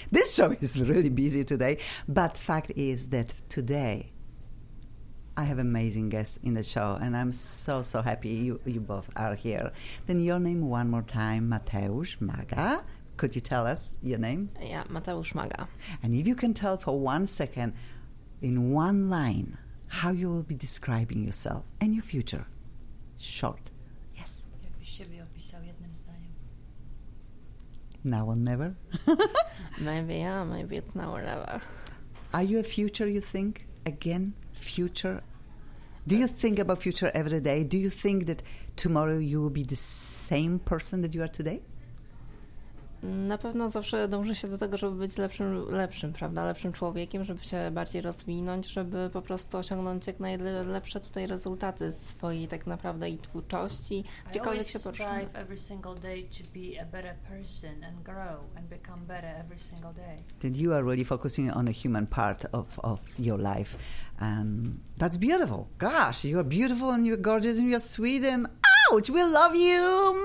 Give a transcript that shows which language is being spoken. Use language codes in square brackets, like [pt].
[en] This show is really busy today. But fact is that today I have amazing guests in the show, and I'm so, so happy you both are here. Then your name one more time, Mateusz Maga. Could you tell us your name? Yeah, Mateusz Maga. And if you can tell for 1 second in one line how you will be describing yourself and your future. Short. Yes. [pl] Jakbyś siebie opisał jednym zdaniem. [en] Now or never? Maybe, yeah. Maybe it's now or never. Are you a future, you think? Again, future? Do you think about future every day? Do you think that tomorrow you will be the same person that you are today? [pl] Na pewno zawsze dąży się do tego, żeby być lepszym, prawda? Lepszym człowiekiem, żeby się bardziej rozwinąć, żeby po prostu osiągnąć jak najlepsze tutaj rezultaty swojej tak naprawdę i twórczości, gdziekolwiek się poczuję. [en] I always strive every single day to be a better person and grow and become better every single day. That you are really focusing on a human part of your life. And that's beautiful. Gosh, you are beautiful and you're gorgeous and you're sweet and... Ouch, we love you.